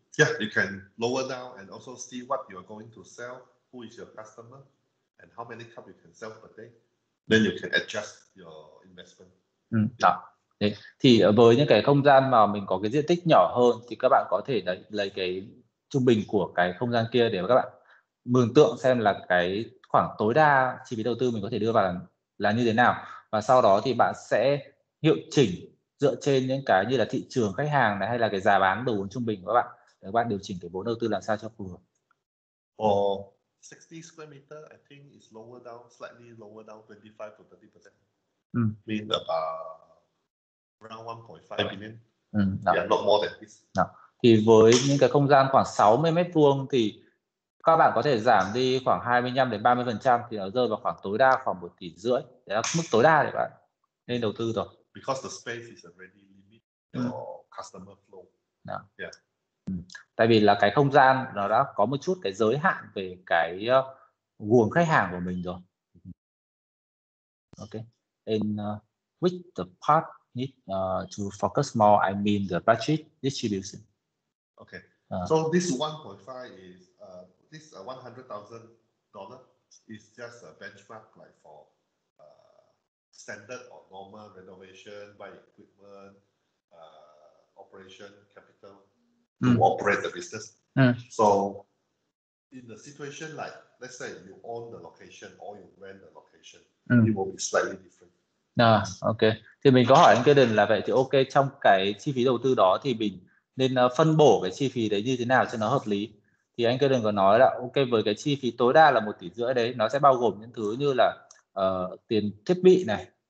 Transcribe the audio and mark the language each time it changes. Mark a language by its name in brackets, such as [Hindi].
[English] Yeah, you can lower down and also see what you are going to sell, who is your customer, and how many cup you can sell per day. Then you can adjust your investment. [Vietnamese] Thì với những cái không gian mà mình có cái diện tích nhỏ hơn thì các bạn có thể lấy cái trung bình của cái không gian kia để các bạn mường tượng xem là cái khoảng tối đa chi phí đầu tư mình có thể đưa vào là như thế nào, và sau đó thì bạn sẽ hiệu chỉnh dựa trên những cái như là thị trường, khách hàng này, hay là cái giá bán đầu vốn trung bình của các bạn, để các bạn điều chỉnh cái vốn đầu tư làm sao cho phù hợp. [English] For 60 square meter, I think it's lower down, slightly lower down, 25 to 30%. Mean about around 1.5 million. Not more than this. [Vietnamese] Thì với những cái không gian khoảng 60 mét vuông thì các bạn có thể giảm đi khoảng 25 đến 30%, thì nó rơi vào khoảng tối đa khoảng 1.5 tỷ. Đấy là mức tối đa để bạn nên đầu tư rồi. [English] Because the space is already limited for customer flow. [Vietnamese] Tại vì là cái không gian nó đã có một chút cái giới hạn về cái nguồn khách hàng của mình rồi. [English] And which the part need to focus more, I mean the budget distribution. So this 1.5 is this $100,000 is just a benchmark like for standard or normal renovation, buy equipment, operation, capital to operate the business. So in the situation like, let's say you own the location or you rent the location, it will be slightly different. [Vietnamese] Thì mình có hỏi anh Kaden là vậy thì trong cái chi phí đầu tư đó thì mình nên phân bổ cái chi phí đấy như thế nào cho nó hợp lý. Thì anh Kaden có nói là với cái chi phí tối đa là 1.5 tỷ đấy, nó sẽ bao gồm những thứ như là tiền thiết bị này,